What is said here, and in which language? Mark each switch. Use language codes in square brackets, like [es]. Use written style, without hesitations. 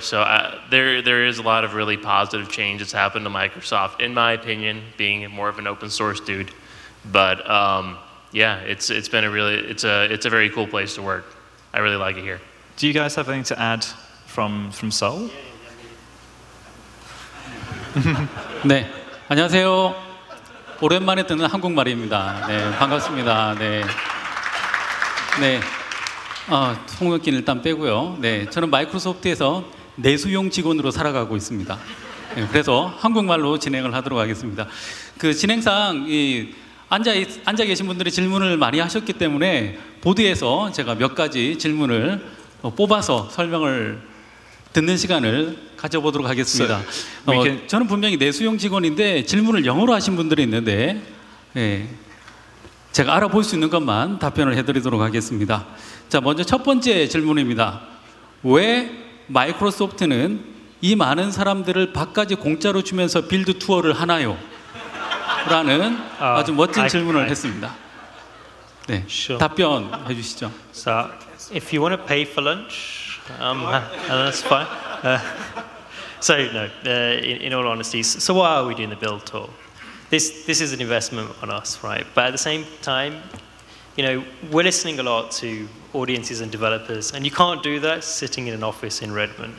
[en] So there is a lot of really positive change that's happened to Microsoft, in my opinion, being more of an open source dude. But yeah, it's been a really, it's a very cool place to work. I really like it here. Do you guys have anything to add from Seoul? [ko] 네, 안녕하세요. 오랜만에 듣는 한국말입니다. 네, 반갑습니다. 네, 네. 송혁기는 일단 빼고요. 네, 저는 마이크로소프트에서 내수용 직원으로 살아가고 있습니다. 네, 그래서 한국말로 진행을 하도록 하겠습니다. 그 진행상 앉아 계신 분들이 질문을 많이 하셨기 때문에 보드에서 제가 몇 가지 질문을 뽑아서 설명을 듣는 시간을 가져보도록 하겠습니다. [en] So, [ko] 저는 분명히 내수용 직원인데 질문을 영어로 하신 분들이 있는데 예, 제가 알아볼 수 있는 것만 답변을 해드리도록 하겠습니다. 자, 먼저 첫 번째 질문입니다. 왜 마이크로소프트는 이 많은 사람들을 밥까지 공짜로 주면서 빌드 투어를 하나요? 라는 아주 멋진 질문을 했습니다. 네, [en] sure. [ko] 답변 해주시죠. [en] So, if you want to pay for lunch, that's fine. In all honesty, so why are we doing the build tour? This is an investment on us, right? But at the same time, you know, we're listening a lot to audiences and developers, and you can't do that sitting in an office in Redmond.